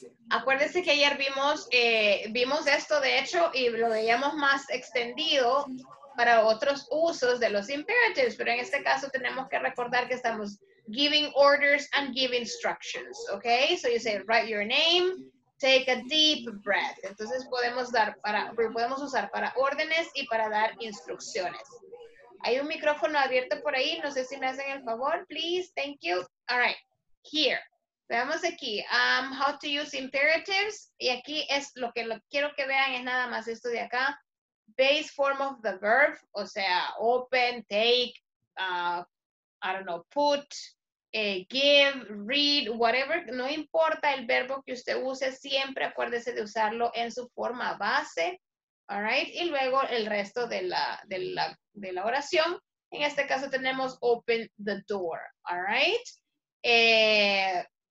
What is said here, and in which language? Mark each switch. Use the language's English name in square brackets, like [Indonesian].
[Spanish] Acuérdense que ayer vimos, vimos esto, de hecho, y lo veíamos más extendido para otros usos de los imperatives, pero en este caso tenemos que recordar que estamos [English] giving orders and giving instructions, [Spanish] ¿ok? [English] So you say, write your name, take a deep breath. [Spanish] Entonces podemos usar para órdenes y para dar instrucciones. Hay un micrófono abierto por ahí. No sé si me hacen el favor. [English] Please, thank you. All right, here. [Spanish] Veamos aquí. [English] How to use imperatives. [Spanish] Y aquí es lo que quiero que vean es nada más esto de acá. [English] Base form of the verb. [Spanish] O sea, [English] open, take, I don't know, put, give, read, whatever. [Spanish] No importa el verbo que usted use, siempre acuérdese de usarlo en su forma base. [English] All right. [Spanish] Y luego el resto de la oración. En este caso tenemos [English] open the door. All right.